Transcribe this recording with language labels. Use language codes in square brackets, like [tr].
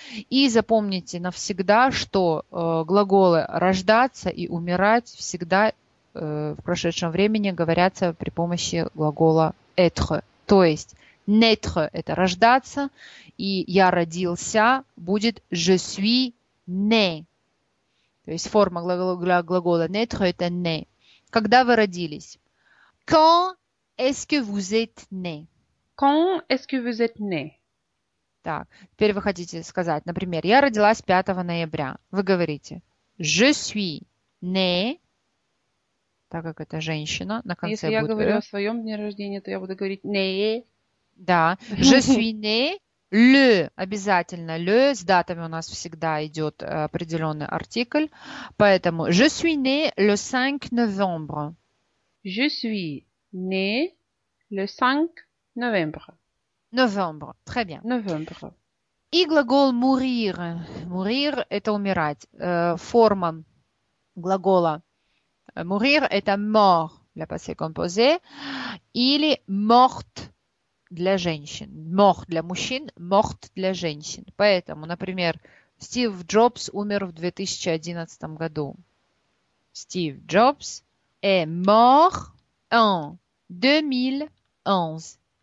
[ru] И запомните навсегда, что глаголы «рождаться» и «умирать» всегда в прошедшем времени говорятся при помощи глагола être, то есть naître – это рождаться, и я родился будет [fr] je suis né. [ru] То есть форма глагола naître – это né. Когда вы родились? [fr] Quand est-ce que vous êtes né? Quand est-ce que vous êtes né? [ru] Так, теперь вы хотите сказать, например, я родилась 5 ноября. Вы говорите [fr] je suis né. [ru] Так как это женщина, на конце если будет... Если я говорю о своем дне рождения, то я буду говорить «не». Да. [fr] «Je suis né le». [ru] Обязательно «le». С датами у нас всегда идет определенный артикль. Поэтому [fr] «je suis né le 5 novembre». «Je suis né le 5 novembre». «Novembre». Très bien. «Novembre». [ru] И глагол «mourir». «Mourir» – это «умирать». Форма глагола mourir – это mort, для passé composé, или morte для женщин. Mort для мужчин, morte для женщин. Поэтому, например, Стив Джобс умер в 2011 году. [fr] Стив Джобс est mort en 2011.